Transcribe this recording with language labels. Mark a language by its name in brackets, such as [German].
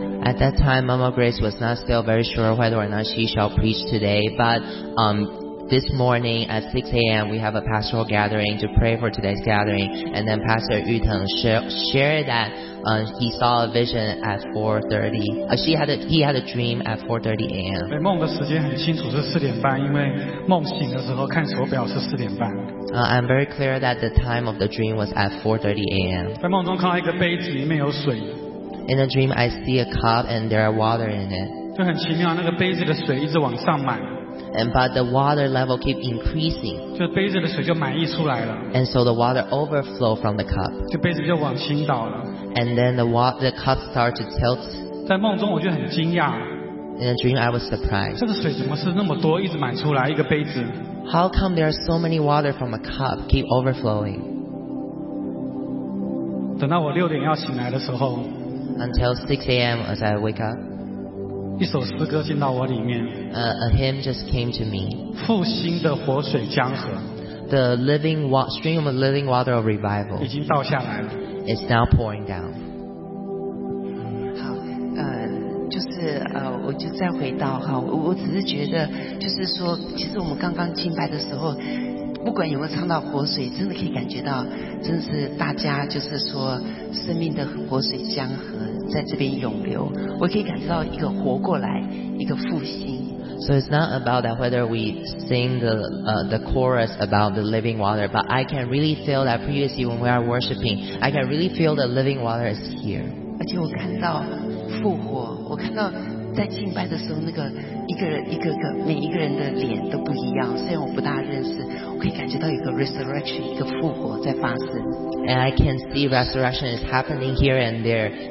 [English] At that time, Mama Grace was not still very sure whether or not she shall preach today, but this morning at 6 a.m. we have a pastoral gathering to pray for today's gathering, and then Pastor Yu Teng shared that he saw a vision at 4:30. He had a dream at 4:30 a.m. [Chinese] 对，梦的时间很清楚是4:30，因为梦醒的时候看手表是4:30。 [English] I'm very clear that the time of the dream was at 4:30 a.m. [Chinese] 在梦中看到一个杯子，里面有水。 [English] In a dream, I see a cup and there are water in it. [Chinese] 就很奇妙，那个杯子的水一直往上满。 [English] But the water level keep increasing. [Chinese] 就杯子的水就满溢出来了。 [English] And so the water overflow from the cup. [Chinese] 就杯子就往倾倒了。 [English] And then the cup start to tilt. [Chinese] 在梦中我就很惊讶。 [English] In a dream I was surprised. [Chinese] 这个水怎么是那么多，一直满出来一个杯子 [English] ？How come there are so many water from a cup keep overflowing？ [Chinese] 等到我6:00要醒来的时候 [English] ，Until 6 a.m. as I wake up。 [Chinese] 一首诗歌进到我里面。 [English] A hymn just came to me. [Chinese] 复兴的活水江河。 [English] The living stream of living water of revival. [Chinese] 已经倒下来了。 [English] It's now pouring down. [Chinese] 好，就是我就再回到哈，我只是觉得就是说，其实我们刚刚敬拜的时候，不管有没有唱到活水，真的可以感觉到，真的是大家就是说生命的活水江河在这边涌流，我可以感受到一个活过来，一个复兴。 [English] So it's not about that whether we sing the chorus about the living water, but I can really feel that previously when we are worshiping, I can really feel the living water is here. [Chinese] 而且我看到复活，我看到在敬拜的时候，那个一个人一个个每一个人的脸都不一样。虽然我不大认识，我可以感觉到一个 resurrection， 一个复活在发生。 [English] And I can see resurrection is happening here and there.